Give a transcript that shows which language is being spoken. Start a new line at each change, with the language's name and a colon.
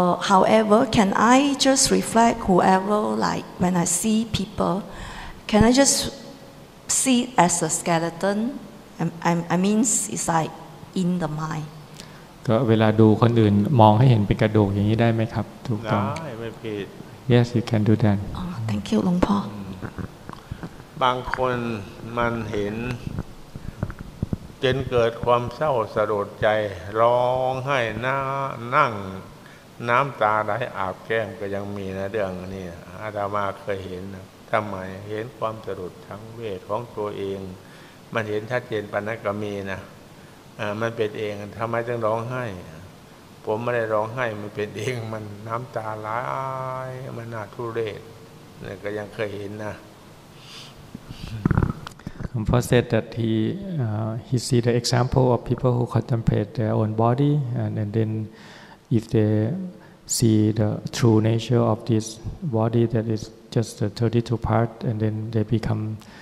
English: However, can I just reflect whoever, like when I see people, can I just see it as a skeleton? I mean, it's like, in the mind
Thai: ก็เวลาดูคนอื่นมองให้เห็นเป็นกระดูกอย่างนี้ได้มั้ยครับถูกต้อง ได้ไม่ผิด
English: Yes you can do that Thank you หลวงพ่
Thai: อบางคนมันเห็นจนเกิดความเศร้าสะโดดใจร้องไห้หน้านั่งน้ำตาไหลอาบแก้มก็ยังมีนะเรื่องนี้อาตมาเคยเห็นทำไมเห็นความสะโดดทั้งเวทของตัวเองมันเห็นชัดเจนปานนั้นก็มีนะ มันเป็นเองทำไมต้องร้องไห้ผมไม่ได้ร้องไห้มันเป็นเองมันน้ำตาไหลมันน่าทุเรศก็ยังเคยเห็นนะ
English: Pong said that he see the example of people who contemplate their own body and then if they see the true nature of this body that is just the 32 part and then they become